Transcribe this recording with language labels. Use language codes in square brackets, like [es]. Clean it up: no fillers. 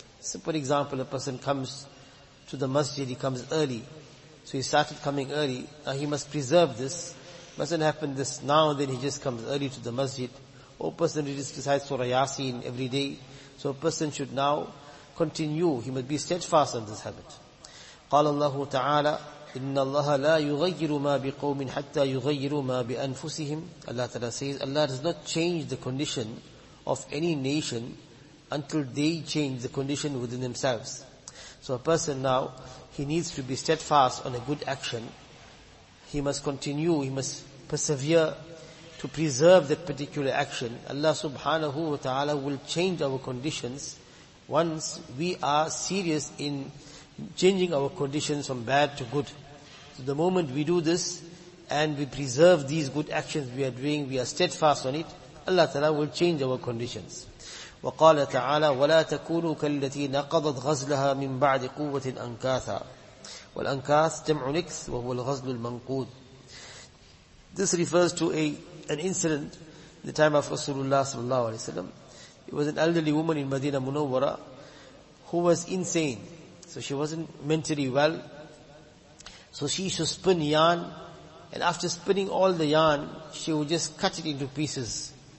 [en] Simple example, a person comes to the masjid, he comes early. So he started coming early. Now he must preserve this. Mustn't happen this now and then he just comes early to the masjid. Or a person just recites Surah Yasin every day. So a person should now continue. He must be steadfast on this habit. [ar] قال الله تعالى إن الله لا يغير ما بقوم حتى يغير ما بأنفسهم. [en] Allah Ta'ala says, Allah does not change the condition of any nation until they change the condition within themselves. So a person now, he needs to be steadfast on a good action. He must continue, he must persevere to preserve that particular action. Allah subhanahu wa ta'ala will change our conditions once we are serious in changing our conditions from bad to good. So the moment we do this and we preserve these good actions we are doing, we are steadfast on it, Allah ta'ala will change our conditions. [ar] وقال تعالى ولا تكونوا كالتي نقضت غزلها من بعد قوة أنكاثا والأنكاث جمع نكث وهو الغزل المنقود. [en] This refers to an incident in the time of Rasulullah sallallahu alaihi wasallam. It was an elderly woman in Medina Munawwara who was insane, so she wasn't mentally well. So she used to spin yarn, and after spinning all the yarn, she would just cut it into pieces.